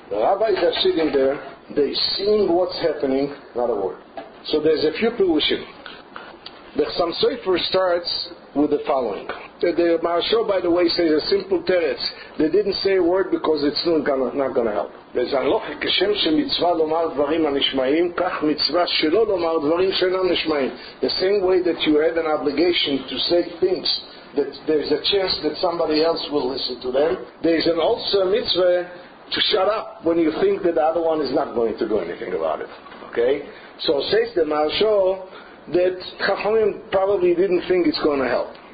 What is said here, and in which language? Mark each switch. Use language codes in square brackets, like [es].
[en] The rabbis are sitting there, they seeing what's happening, not a word. So there's a few pirushim. The Chassam Sofer starts with the following. The Maharsho, by the way, says a simple teretz. They didn't say a word because it's not going to help. [he] וזה הלוכה כשם שמצווה לומר דברים הנשמעים, כך מצווה שלא לומר דברים שאינם נשמעים. [en] The same way that you have an obligation to say things, that there is a chance that somebody else will listen to them, there is also a mitzvah to shut up when you think that the other one is not going to do anything about it. Okay? So says the Maharsho that Chachamim probably didn't think it's going to help.